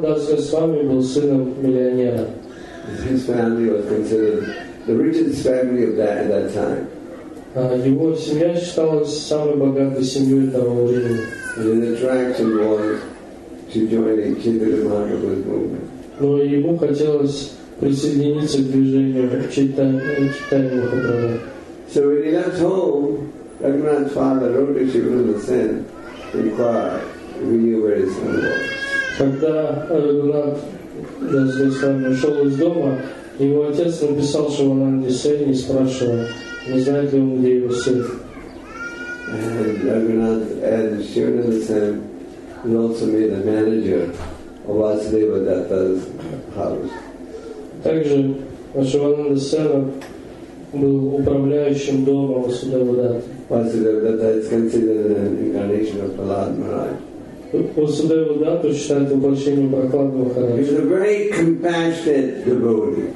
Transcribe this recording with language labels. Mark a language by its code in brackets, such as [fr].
[ru] Дас Госвами был сыном миллионера. [en] His family was considered the richest family of that time. [ru] Его семья считалась самой богатой семьей того времени. [en] And his attraction was to join a Chaitanya Mahaprabhu's movement. [ru] Но ему хотелось присоединиться к движению Чайтанья Махапрабху. [en] So when he left home, Рагхунатха's father wrote to Shivananda Sen to inquire if he knew where his son was. [ru] Когда Рагхунатха с Госвами ушел из дома, его отец написал Шивананде Сене и спрашивал, не знает ли он, где его сын. [en] And Рагхунатха and Shivananda Sen also made the manager of Vasudeva Datta's house. [ru] Также Шивананда Сена был управляющим домом Васудева Датта. [en] Vasudeva Datta is considered an incarnation of Prahlad Maharaj. [ru] Васудева Датта считает воплощением Прохлад Махараджа. [en] He was a very compassionate devotee.